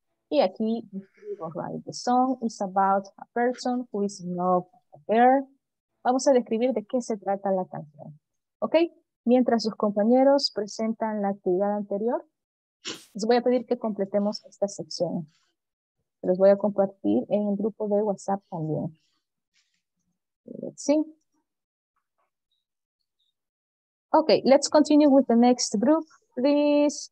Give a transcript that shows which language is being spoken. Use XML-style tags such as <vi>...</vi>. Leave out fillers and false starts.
<es>Y aquí,</es> <en>right? The song is about a person who is in love with her</en> <es>vamos a describir de qué se trata la canción. ¿Ok? Mientras sus compañeros presentan la actividad anterior, les voy a pedir que completemos esta sección. Los voy a compartir en el grupo de WhatsApp también.</es> <en>Let's see. Okay, let's continue with the next group, please.</en>